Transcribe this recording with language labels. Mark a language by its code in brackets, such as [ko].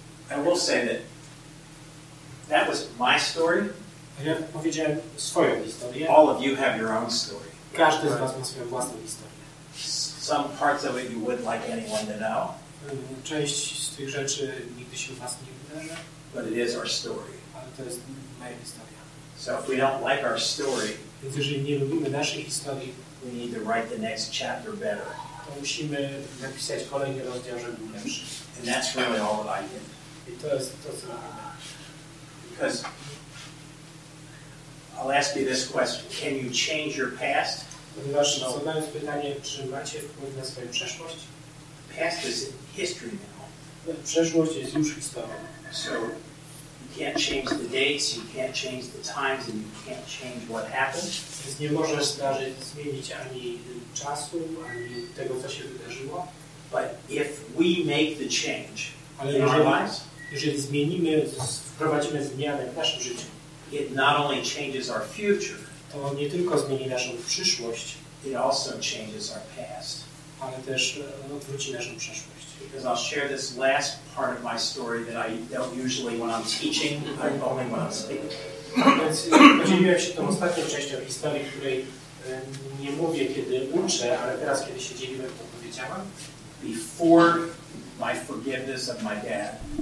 [en] I will say that that was my story. [pl] Ja powiedziałem swoją historię. [en] All of you have your own story. [pl] Każdy z was ma swoją własną historię. [en] Some parts of it you wouldn't like anyone to know. [pl] Część z tych rzeczy nigdy się u was nie wydarzy. [en] But it is our story. [pl] Ale to jest moja historia. [en] So if we don't like our story, [pl] więc jeżeli nie lubimy naszej historii, [en] we need to write the next chapter better. [pl] To musimy napisać kolejny rozdział, żeby był lepszy. [en] And that's really all that I did. [pl] I to jest to, co robimy. [en] Because I'll ask you this question. Can you change your past? [pl] Ponieważ zadając pytanie, czy macie wpływ na swoją przeszłość? [en] Past is history now. [pl] Przeszłość jest już historią. [en] So you can't change the dates, you can't change the times, and you can't change what happened. [pl] Więc nie możesz zdarzyć, zmienić ani czasu, ani tego, co się wydarzyło. [en] But if we make the change, [pl] ale jeżeli zmienimy, wprowadzimy zmianę w naszym życiu, [en] it not only changes our future, [pl] to nie tylko zmieni naszą przyszłość, [en] it also changes our past, [pl] ale też odwróci naszą przeszłość. [en] Because I'll share this last part of my story that I don't usually when I'm teaching, I only when I'm speaking. [pl] Podzieliłem się tą ostatnią częścią historii, której nie mówię, kiedy uczę, ale teraz, kiedy się dzieliłem, to powiedziałam. [en] Before my forgiveness of my dad,